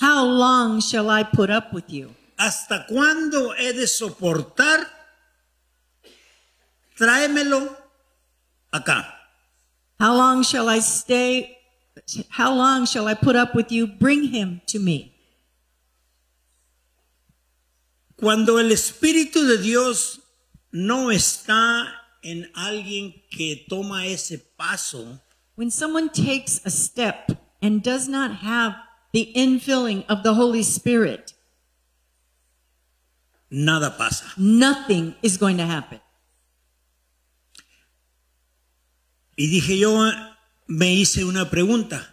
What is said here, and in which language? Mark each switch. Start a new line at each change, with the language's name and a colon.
English: How long shall I put up with you?
Spanish: ¿Hasta cuándo he de soportar? Tráemelo acá.
English: How long shall I put up with you? Bring him to me.
Spanish: Cuando el Espíritu de Dios no está en alguien que toma ese paso,
English: when someone takes a step and does not have the infilling of the Holy Spirit,
Spanish: nada pasa.
English: Nothing is going to happen.
Spanish: Y dije yo, me hice una pregunta.